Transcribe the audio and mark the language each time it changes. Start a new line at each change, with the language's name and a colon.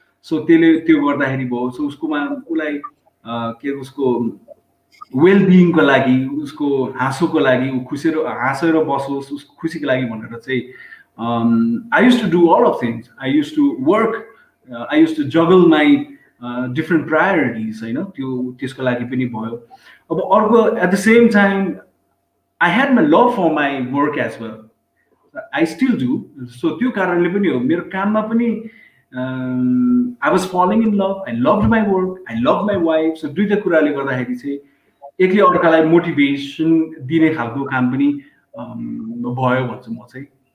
Nepali: So त्यसले त्यो गर्दाखेरि भयो. सो उसकोमा उसलाई के उसको वेलबिङको लागि, उसको हाँसोको लागि, ऊ खुसेर हाँसेर बसोस् उसको खुसीको लागि भनेर चाहिँ
English: I use to do all of things. I use to work, I use to juggle my different priorities
Nepali: होइन, त्यो त्यसको लागि पनि भयो. अब अर्को,
English: At the same time I had my love for my work as well, I still do.
Nepali: So त्यो कारणले पनि हो, मेरो काममा पनि
English: I was falling in love, I loved my work, I love my wife.
Nepali: So दुईवटा कुराले गर्दाखेरि चाहिँ एकले अर्कालाई मोटिभेसन दिने खालको काम पनि भयो भन्छु म चाहिँ.